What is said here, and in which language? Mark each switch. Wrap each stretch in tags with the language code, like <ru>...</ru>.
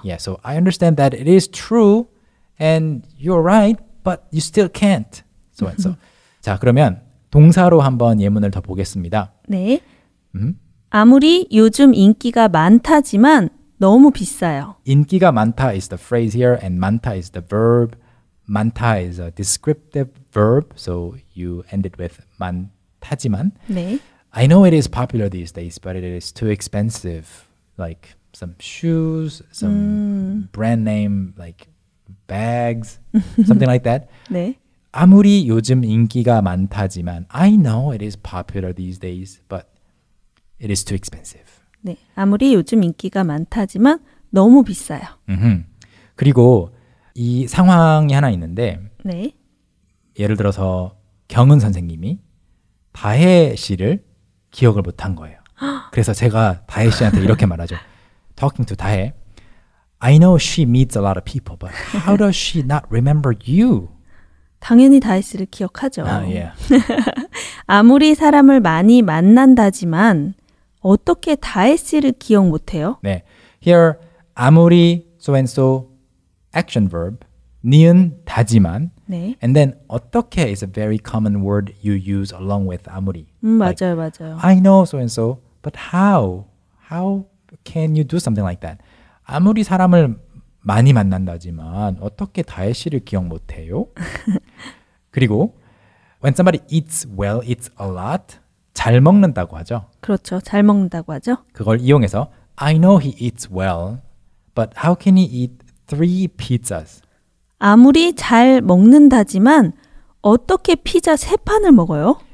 <en>Yeah, so I understand that it is true and you're right, but you still can't. So and so.</en> <ko>자, 그러면 동사로 한번 예문을 더 보겠습니다. 네. 아무리 요즘 인기가 많다지만 너무 비싸요.</ko> <en>인기가 많다 is the phrase here and 많다 is the verb. 많다 is a descriptive verb, so you end it with 많다지만.</en> <ko>네.</ko> <en>I know it is popular these days, but it is too expensive. Like some shoes, some brand name, like bags, something like that.</en> <ko>네. 아무리 요즘 인기가 많다지만,</ko> <en>I know it is popular these days, but it is too expensive.</en> <ko>네. 아무리 요즘 인기가 많다지만 너무 비싸요. 그리고 이 상황이 하나 있는데, 네. 예를 들어서 경은 선생님이 다혜 씨를 기억을 못한 거예요. 그래서 제가 다혜 씨한테 이렇게 말하죠.</ko> <en>Talking to 다혜, I know she meets a lot of people, but how does she not remember you?</en> <ko>당연히 다혜 씨를 기억하죠.</ko> <en>Yeah.</en> <ko>아무리 사람을 많이 만난다지만 어떻게 다혜 씨를 기억 못해요? 네,</ko> <en>here 아무리 so and so action verb, 니은 다지만</en> <ko>네.</ko> <en>And then 어떻게 is a very common word you use along with 아무리.</en> <ko>맞아요, like, 맞아요.</ko> <en>I know so and so, but how? How can you do something like that?</en> <ko>아무리 사람을 많이 만난다지만 어떻게 다혜 씨를 기억 못해요?</ko> <en>그리고 when somebody eats well, eats a lot,</en> <ko>잘 먹는다고 하죠. 그렇죠, 잘 먹는다고 하죠. 그걸 이용해서</ko> <en>I know he eats well, but how can he eat three pizzas?</en> <ko>아무리 잘 먹는다지만 어떻게 피자 세 판을 먹어요?</ko>